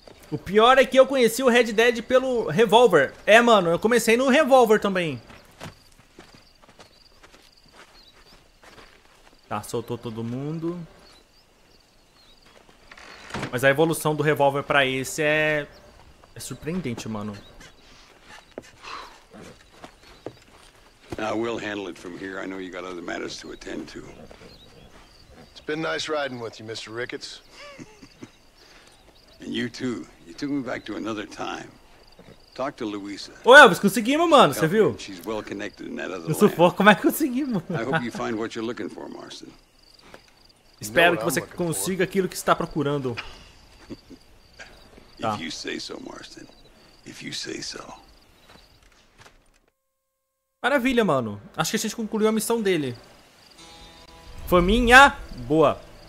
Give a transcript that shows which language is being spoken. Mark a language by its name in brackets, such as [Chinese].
[Portuguese] O pior é que eu conheci o Red Dead pelo Revolver. É, mano, eu comecei no Revolver também. Tá, soltou todo mundo. Mas a evolução do Revolver pra esse é... é surpreendente, mano. Agora eu vou [English] handle it from here. I know you got other matters to attend to. It's been nice riding with you, Mr. Ricketts. And you too. You took me back to another time. Talk to Luisa. [Portuguese] Ô Elvis, conseguimos, mano. Você viu? [English] She's well connected in that other land. [Portuguese] Sufoco, como é que conseguimos? [English] I hope you find what you're looking for, Marston. [Portuguese] Espero que você consiga aquilo que está procurando. [English] If you say so, Marston. If you say so. [Portuguese] Maravilha, mano. Acho que a gente concluiu a missão dele. Faminha, boa.